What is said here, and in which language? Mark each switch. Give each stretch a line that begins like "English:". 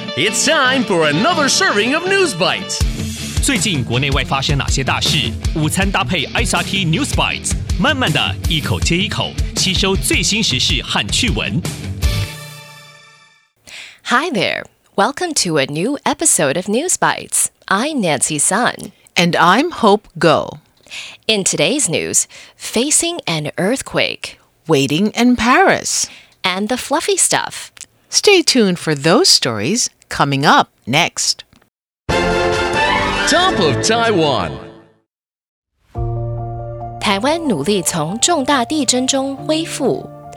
English: It's time for another serving of News Bites.
Chinese: 最近国内外发生哪些大事？午餐搭配 SRT News Bites， 慢慢的一口接一口，吸收最新时事和趣闻。
English: Hi there, welcome to a new episode of News Bites. I'm Nancy Sun. And I'm Hope Go. In today's news, facing an earthquake, waiting in Paris, and the fluffy stuff. Stay tuned for those stories coming up next. Top of Taiwan.
Chinese: 台湾努力从重大地震中恢复。